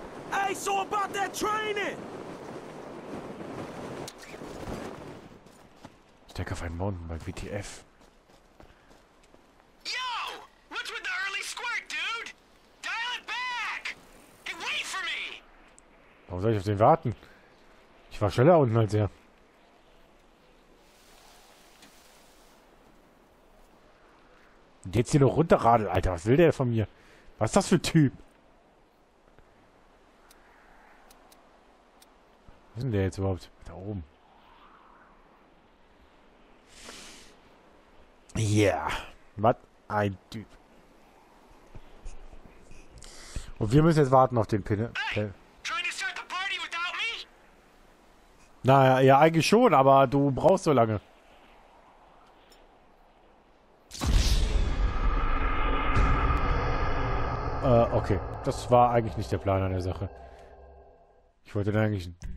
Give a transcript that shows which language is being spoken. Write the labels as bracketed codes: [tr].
[en] Hey, so about that training. [de] Steck auf einen Mountainbike, WTF. [en] Yo! What's with the early squirt, dude? Dial it back! And wait for me! [de] Warum soll ich auf den warten? Ich war schneller unten als er. Und jetzt hier noch runterradeln, Alter. Was will der von mir? Was ist das für ein Typ? Was ist denn der jetzt überhaupt? Da oben. Yeah. Was ein Typ. Und wir müssen jetzt warten auf den Pinne. [en] Hey, trying to start the party without me? [de] Naja, ja, eigentlich schon, aber du brauchst so lange. Okay. Das war eigentlich nicht der Plan an der Sache. Ich wollte dann eigentlich...